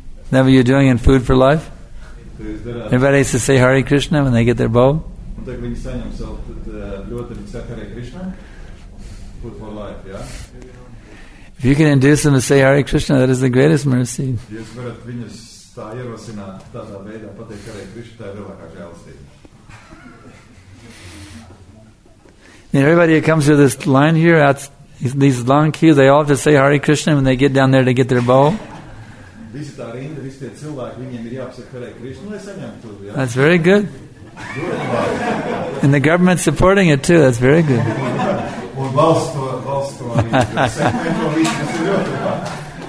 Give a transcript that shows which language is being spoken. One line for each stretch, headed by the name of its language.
English: That what you're doing in Food for Life? Everybody has to say Hare Krishna when they get their bowl? Food for Life, yeah? If you can induce them to say Hare Krishna, that is the greatest mercy.
Latvian: Tā ierosināt tādā veidā pateikt Hare Krishna, tā ir vēlākā žēlistība.
English: Everybody who comes to this line here, that's, these long queues, they all just say Hare Krishna when they get down there to get their bowl.
Latvian: Visi tā rinda, visi tie cilvēki, viņiem ir jāpasaka Hare Krishna, lai saņemt to. Ja?
English: That's very good. And the government supporting it too, that's very good.
Latvian: Un valsts to, valsts to arī, kas ir ļoti labi.